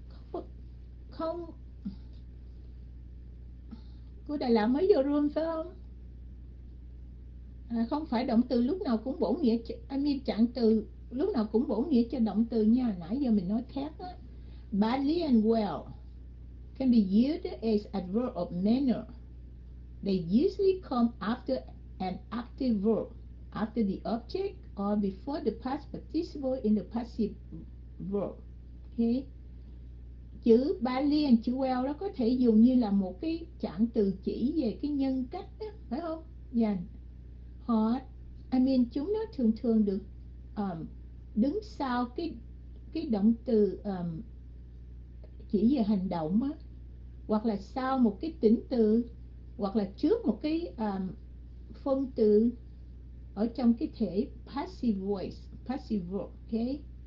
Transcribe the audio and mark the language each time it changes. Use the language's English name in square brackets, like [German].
[Vietnamese] Không, không. Của Đà Lạt mới vô room phải không? À, không phải động từ lúc nào cũng bổ nghĩa cho, [English] I mean, [Vietnamese] trạng từ lúc nào cũng bổ nghĩa cho động từ nha. Nãy giờ mình nói khác á. [English] Badly and well can be used as adverb of manner. They usually come after an active verb, after the object, or before the past participle in the passive verb. Okay. [Vietnamese] Chữ badly and chữ well đó có thể dùng như là một cái trạng từ chỉ về cái nhân cách đó, phải không? Dành. Họ [English] mean, [Vietnamese] chúng nó thường thường được đứng sau cái động từ chỉ về hành động á, hoặc là sau một cái tính từ, hoặc là trước một cái phân từ ở trong cái thể passive voice, passive voice, okay?